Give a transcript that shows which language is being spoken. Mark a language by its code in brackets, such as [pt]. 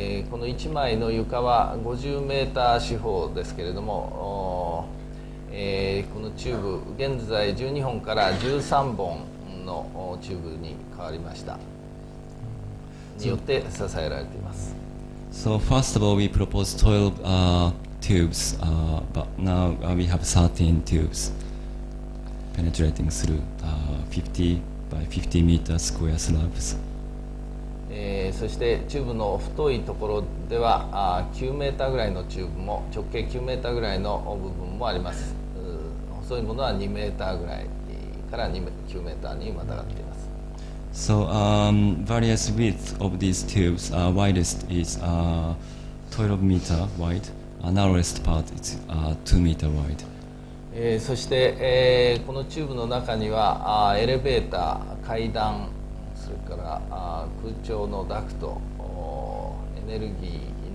[ja] この1枚の床は50メーター四方ですけれども、このチューブ、現在12本から13本のチューブに変わりました。によって支えられています。 [en] So first of all, we propose 12 tubes, but now we have 13 tubes. Penetrating through 50 by 50 meter square slabs. [ja] そしてチューブの太いところでは9メーターぐらいのチューブも直径9メーターぐらいの部分もあります。細いものは2メーターぐらいから9メーターにまたがっています。 [en] So various widths of these tubes. Widest is 12 meter wide. Narrowest part is 2 meter wide. [ja] そして、このチューブの中にはエレベーター、階段、それから空調のダクト、エネルギー